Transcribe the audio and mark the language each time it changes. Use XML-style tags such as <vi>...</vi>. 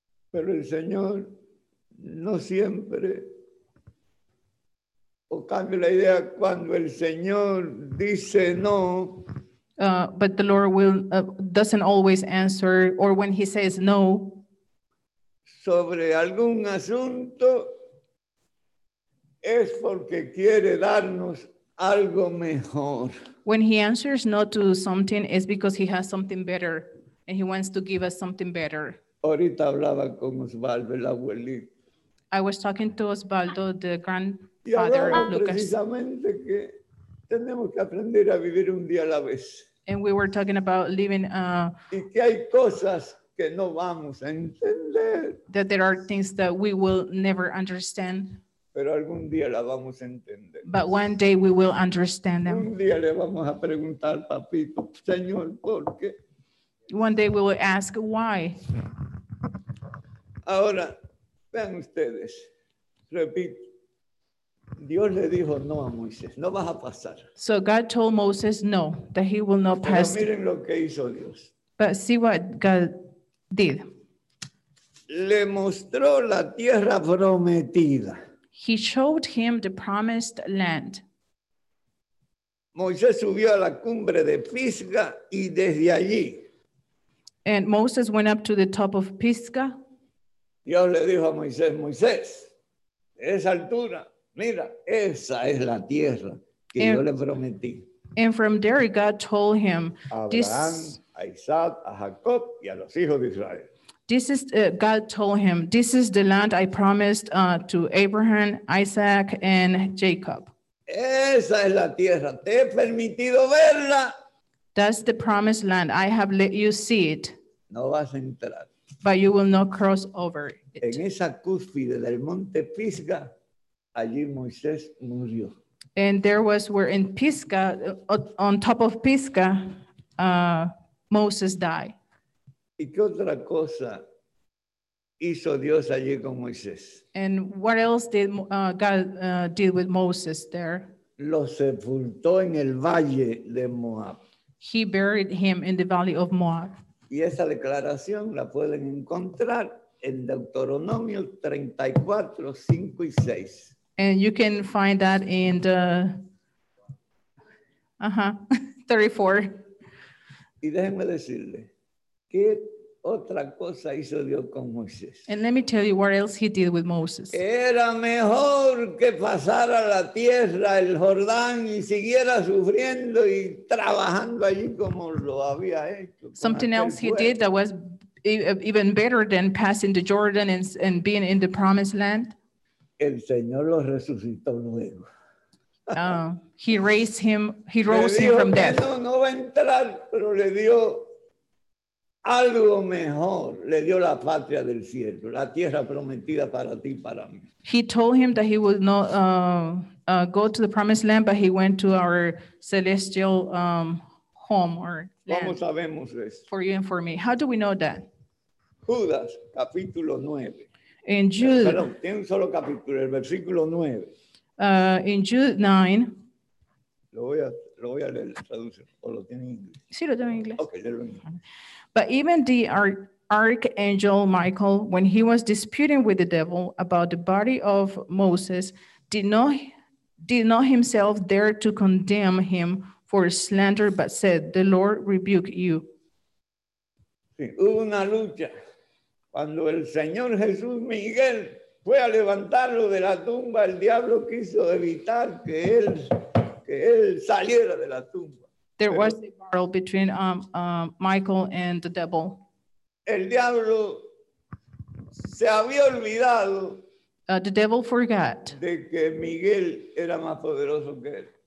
<es>Pero el Señor no siempre. O cambio la idea cuando el Señor dice no.</es> <en>But the Lord will doesn't always answer, or when he says no.</en> <es>Sobre algún asunto. Es porque quiere darnos algo mejor.</es> <en>When he answers no to something, it's because he has something better and he wants to give us something better.</en> <es>Ahorita hablaba con Osvaldo, el abuelito.</es> <en>I was talking to Osvaldo, the grandfather of Lucas.</en> <es>Precisamente que tenemos que aprender a vivir un día a la vez.</es> <en>And we were talking about living.</en> <es>Y que hay cosas que no vamos a entender.</es> <en>That there are things that we will never understand.</en> <es>Pero algún día la vamos a entender.</es> <en>But one day we will understand them.</en> <es>Un día le vamos a preguntar, papito, señor, ¿por qué?</es> <en>One day we will ask why.</en> <es>Ahora, vean ustedes, repito, Dios le dijo no a Moisés, no vas a pasar.</es> <en>So God told Moses no, that he will not pass.</en> <es>Pero miren lo que hizo Dios.</es> <en>But see what God did.</en> <es>Le mostró la tierra prometida.</es> <en>He showed him the promised land.</en> <es>Moisés subió a la cumbre de Pisga y desde allí.</es> <en>And Moses went up to the top of Pisga.</en> <es>Dios le dijo a Moisés, Moisés, esa altura, mira, esa es la tierra que yo le prometí.</es> <en>And from there God told him,</en> <es>Abraham, a Isaac, a Jacob y a los hijos de Israel.</es> <en>This is God told him, this is the land I promised to Abraham, Isaac, and Jacob.</en> <es>Esa es la tierra. Te he permitido verla.</es> <en>That's the promised land. I have let you see it.</en> <es>No vas a entrar.</es> <en>But you will not cross over it.</en> <es>En esa cúspide del monte Pisga, allí Moisés murió.</es> <en>And there was where in Pisga, on top of Pisga, Moses died.</en> <es>¿Y qué otra cosa hizo Dios allí con Moisés?</es> <en>And what else did God did with Moses there?</en> <es>Lo sepultó en el valle de Moab.</es> <en>He buried him in the valley of Moab.</en> <es>Y esa declaración la pueden encontrar</es> <en>in Deuteronomy 34, 5 and 6. And you can find that in the 34.</en> <es>Y déjenme decirle, ¿qué otra cosa hizo Dios con Moisés?</es> <en>And let me tell you what else he did with Moses.</en> <es>Era mejor que pasara la tierra, el Jordán, y siguiera sufriendo y trabajando allí como lo había hecho.</es> <en>Something else he did that was even better than passing the Jordan and being in the promised land.</en> <es>El Señor lo resucitó luego.</es> <en>He raised him, he rose him from death.</en> <es>No, no va a entrar, pero le dio algo mejor. Le dio la patria del cielo, la tierra prometida para ti, para mí.</es> <en>He told him that he would not go to the promised land, but he went to our celestial home or land.</en> <es>¿Cómo sabemos eso?</es> <en>For you and for me. How do we know that?</en> <es>Judas, capítulo 9.</es> <en>In Jude.</en> <es>Perdón, tiene un solo capítulo, el versículo 9.</es> <en>In Jude 9.</en> <es>Lo voy a leer, traducir, o lo tiene en inglés. Sí, lo tengo en inglés. Okay, leerlo en inglés.</es> <en>But even the archangel Michael, when he was disputing with the devil about the body of Moses, did not himself dare to condemn him for slander, but said, "The Lord rebuke you."</en> <es>Sí, hubo una lucha cuando el Señor Jesús Miguel fue a levantarlo de la tumba. El diablo quiso evitar que él saliera de la tumba.</es> <en>There was a battle between Michael and the devil.</en> <es>El diablo se había olvidado.</es> <en>The devil forgot.</en> <es>De que Miguel era más poderoso que él.</es>